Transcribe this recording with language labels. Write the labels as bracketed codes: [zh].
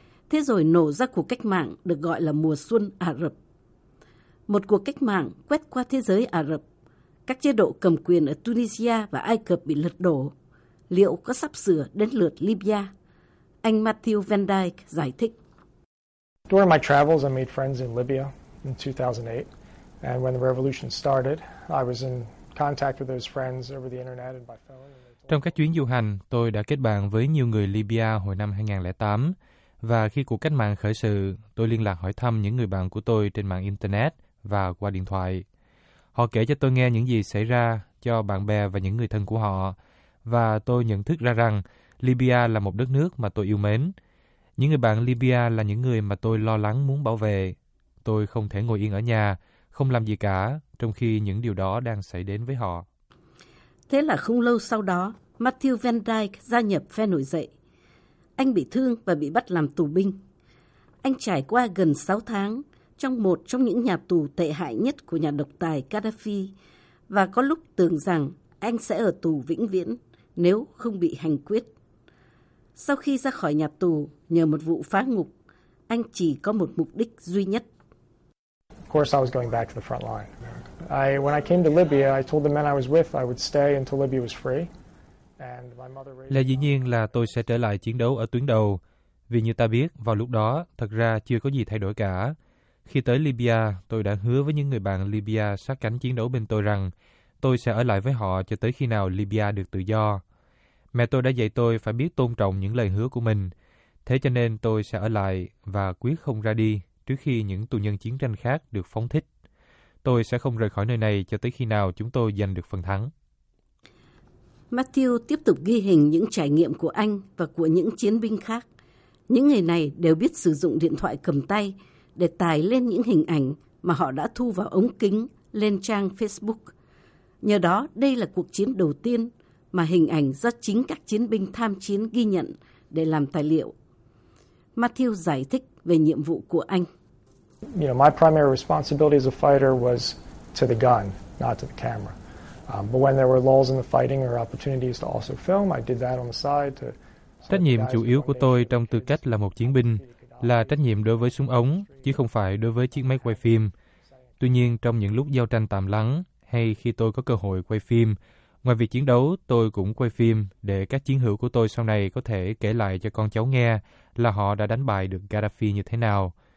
[vi] Thế rồi nổ ra cuộc cách mạng được gọi là mùa xuân Ả Rập. Một cuộc cách mạng quét qua thế giới Ả Rập. Các chế độ cầm quyền ở Tunisia và Ai Cập bị lật đổ. Liệu có sắp sửa đến lượt Libya? Anh Matthew Van Dyke giải thích. [en] During my travels, I made friends in Libya in 2008. And when the revolution started, I was in contact with those friends over the internet and by phone. [vi] Trong các chuyến du hành, tôi đã kết bạn với nhiều người Libya hồi năm 2008. Và khi cuộc cách mạng khởi sự, tôi liên lạc hỏi thăm những người bạn của tôi trên mạng Internet và qua điện thoại. Họ kể cho tôi nghe những gì xảy ra cho bạn bè và những người thân của họ. Và tôi nhận thức ra rằng Libya là một đất nước mà tôi yêu mến. Những người bạn Libya là những người mà tôi lo lắng muốn bảo vệ. Tôi không thể ngồi yên ở nhà, không làm gì cả, trong khi những điều đó đang xảy đến với họ. Thế là không lâu sau đó, Matthew Van Dyke gia nhập phe nổi dậy. Anh bị thương và bị bắt làm tù binh. Anh trải qua gần 6 tháng trong một trong những nhà tù tệ hại nhất của nhà độc tài Gaddafi và có lúc tưởng rằng anh sẽ ở tù vĩnh viễn nếu không bị hành quyết. Sau khi ra khỏi nhà tù nhờ một vụ phá ngục, anh chỉ có một mục đích duy nhất. [en] Of course I was going back to the front line. When I came to Libya, I told the men I was with I would stay until Libya was free. [vi] Lẽ dĩ nhiên là tôi sẽ trở lại chiến đấu ở tuyến đầu, vì như ta biết, vào lúc đó, thật ra chưa có gì thay đổi cả. Khi tới Libya, tôi đã hứa với những người bạn Libya sát cánh chiến đấu bên tôi rằng tôi sẽ ở lại với họ cho tới khi nào Libya được tự do. Mẹ tôi đã dạy tôi phải biết tôn trọng những lời hứa của mình, thế cho nên tôi sẽ ở lại và quyết không ra đi trước khi những tù nhân chiến tranh khác được phóng thích. Tôi sẽ không rời khỏi nơi này cho tới khi nào chúng tôi giành được phần thắng. Matthew tiếp tục ghi hình những trải nghiệm của anh và của những chiến binh khác. Những người này đều biết sử dụng điện thoại cầm tay để tải lên những hình ảnh mà họ đã thu vào ống kính lên trang Facebook. Nhờ đó, đây là cuộc chiến đầu tiên mà hình ảnh do chính các chiến binh tham chiến ghi nhận để làm tài liệu. Matthew giải thích về nhiệm vụ của anh. [en] You know, my primary responsibility as a fighter was to the gun, not to the camera. But when there were lulls in the fighting or opportunities to also film, I did that on the side. [vi] Trách nhiệm chủ yếu của tôi trong tư cách là một chiến binh là trách nhiệm đối với súng ống chứ không phải đối với chiếc máy quay phim. Tuy nhiên, trong những lúc giao tranh tạm lắng hay khi tôi có cơ hội quay phim, ngoài việc chiến đấu, tôi cũng quay phim để các chiến hữu của tôi sau này có thể kể lại cho con cháu nghe là họ đã đánh bại được Gaddafi như thế nào.